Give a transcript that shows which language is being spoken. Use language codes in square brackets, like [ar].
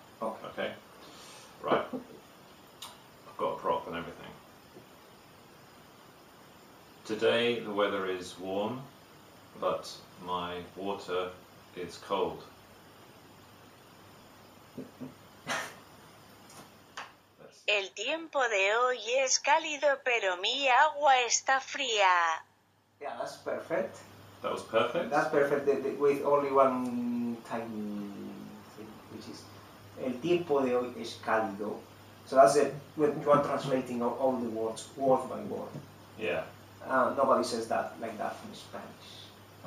[en] Okay. Okay. Right, I've got a prop and everything. Today the weather is warm, but my water is cold. [es] El tiempo de hoy es cálido, pero mi agua está fría. [en] Yeah, that's perfect. That was perfect? That's perfect, with only one tiny thing, which is... [es] El tiempo de hoy es cálido. [en] So that's it. When you are translating all the words, word by word. Yeah. Nobody says that like that in Spanish.